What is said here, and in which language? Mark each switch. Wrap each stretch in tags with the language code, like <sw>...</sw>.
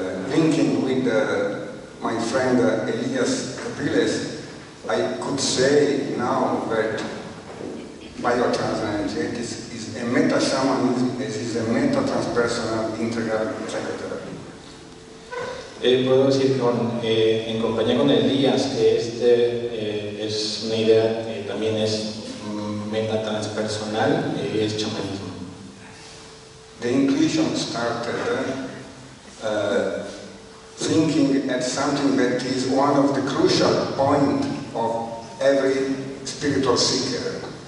<en>Linking with my friend Elias Capriles, I could say now that biotransenergetics is a meta-shamanism, it is a meta-transpersonal integral psychotherapy.</en> <es>Puedo decir con, en compañía con Elías que este es una idea que también es meta-transpersonal y es chamanismo.</es> <en>The intuition started thinking at something that is one of the crucial point of every spiritual seeker.</en>